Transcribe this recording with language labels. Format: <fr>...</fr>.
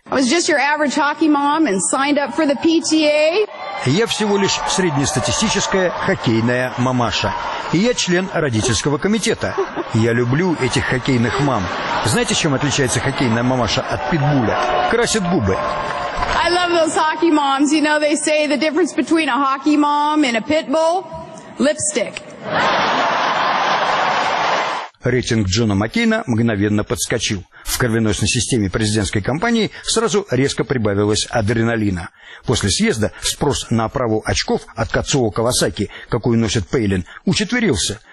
<ru>Я всего лишь среднестатистическая хоккейная мамаша. И я член родительского комитета. Я люблю этих хоккейных мам. Знаете, чем отличается хоккейная мамаша от питбуля? Красит губы.</ru> <en>I love those hockey moms. You know, they say the difference between a hockey mom and a pitbull? Lipstick.</en> <ru>Рейтинг Джона Маккейна мгновенно подскочил. В кровеносной системе президентской кампании сразу резко прибавилось адреналина. После съезда спрос на оправу очков от Кацуо Кавасаки, какую носит Пейлин, учетверился.</ru>